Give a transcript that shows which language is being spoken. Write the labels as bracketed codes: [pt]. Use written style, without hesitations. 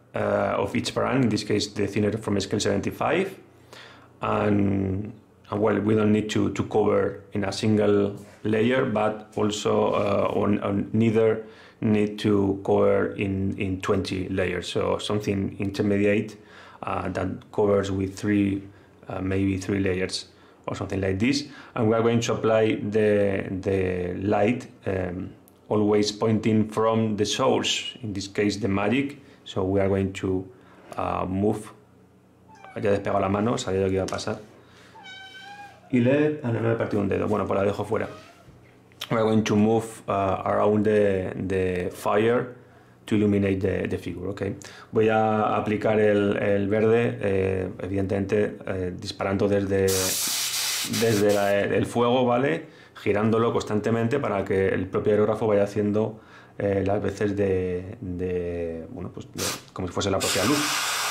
[en] Of each brand, in this case the thinner from scale 75, and well, we don't need to cover in a single layer, but also neither need to cover in 20 layers, so something intermediate that covers with three layers or something like this. And we are going to apply the light always pointing from the source, in this case the magic. So we are going to move. [es] Ya he despegado la mano, sabía lo que iba a pasar. Y LED, ah, no me he partido un dedo. Bueno, pues la dejo fuera. [en] We are going to move around the fire to illuminate the figure, okay? [es] Voy a aplicar el verde, evidentemente disparando desde el fuego, ¿vale? Girándolo constantemente para que el propio aerógrafo vaya haciendo las veces de como si fuese la propia luz.